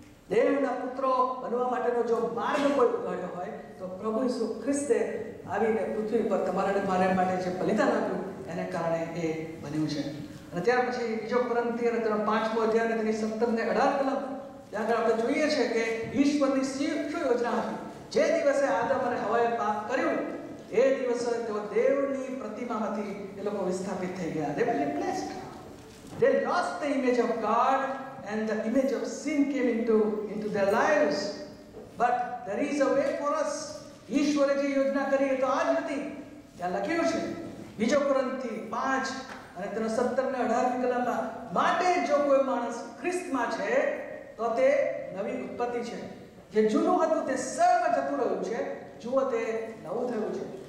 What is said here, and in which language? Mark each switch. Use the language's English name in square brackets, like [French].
[Gujarati] દેવના પુત્રો બનવા માટેનો જો માર્ગ કોઈ ઉઘાડ્યો હોય તો પ્રભુ ઈસુ ખ્રિસ્તે આવીને પૃથ્વી પર તમારા ને મારા માટે જે બલિદાન આપ્યું એને કારણે એ બન્યું છે. અને ત્યાર પછી બીજો પરંતી અને તેનો 5મો અધ્યાય તેની 17-18 કલમ, ત્યાં આગળ આપણે જોઈએ છીએ કે ઈશ્વરની શું યોજના હતી. જે દિવસે આદમ અને હવાએ પાપ કર્યું એ દિવસે તેઓ દેવની પ્રતિમામાંથી એ લોકો વિસ્થાપિત થઈ ગયા. [English] They were replaced. They lost the image of God and the image of sin came into their lives. But there is a way for us. [Gujarati] ઈશ્વરે જે યોજના કરી તો આજ હતી. ત્યાં લખ્યું છે બીજો કોરંથી 5:17-18 કલમમાં, માટે જો કોઈ માણસ ખ્રિસ્તમાં છે તો તે નવી ઉત્પત્તિ છે. જે જૂનું હતું તે સર્વ જતું રહ્યું છે, જુઓ તે નવું થયું છે.